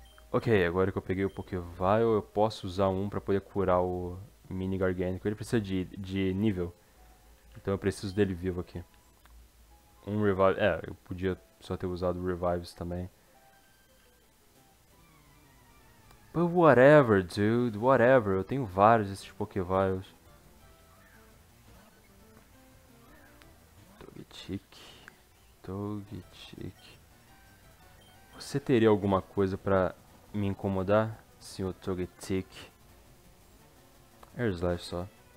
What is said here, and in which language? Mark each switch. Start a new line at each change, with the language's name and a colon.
Portuguese: Ok, agora que eu peguei o Pokévile, eu posso usar um pra poder curar o mini Garganico. Ele precisa de nível. Então eu preciso dele vivo aqui. Um Revive. É, eu podia só ter usado Revives também.
English: But whatever, dude, whatever.
Portuguese: Eu tenho vários desses Pokévios. Togetic. Togetic. Você teria alguma coisa pra me incomodar, senhor Togetic? Air Slash só.